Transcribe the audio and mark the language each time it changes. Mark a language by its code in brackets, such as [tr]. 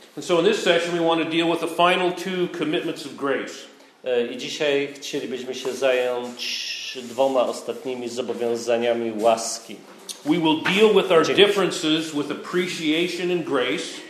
[en] And so in this session, we want to deal with the final two commitments of grace. [pl] I dzisiaj chcielibyśmy się zająć dwoma ostatnimi zobowiązaniami łaski. [en] We will deal with our differences with appreciation and grace.